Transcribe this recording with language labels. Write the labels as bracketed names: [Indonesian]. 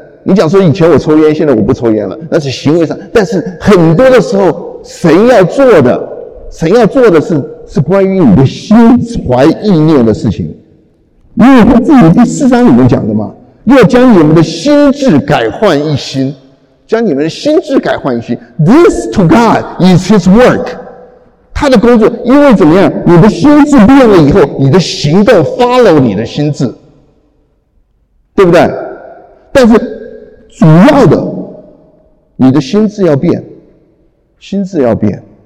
[Chinese] 你讲说以前我抽烟，现在我不抽烟了，那是行为上。但是很多的时候神要做的是关于你的心怀意念的事情，因为他自己第四章里面讲的嘛，要将你们的心智改换一新，将你们的心智改换一新。 [English] This to God is His work， [Chinese] 他的工作。因为怎么样，你的心智变了以后，你的行动 follow 你的心智，对不对？但是主要的，你的心智要变，心智要变。